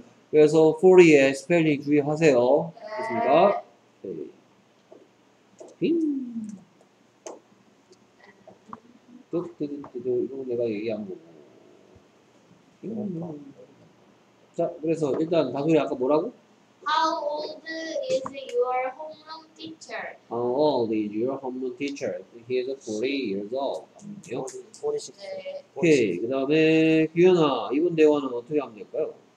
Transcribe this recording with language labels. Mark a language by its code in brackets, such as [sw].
[ko] 그래서 40의 스펠링 주의하세요. 됐습니까? 네. 빙! 뚝뚝뚝, 이거 내가 얘기한 거고. 자, 그래서 일단 다솔이 아까 뭐라고? [en] How old is your homeroom teacher? How old is your homeroom teacher? He is 40 years old. 40, 46. [ko] 네. 오케이. 그 다음에 규현아, 이번 대화는 어떻게 하면 될까요?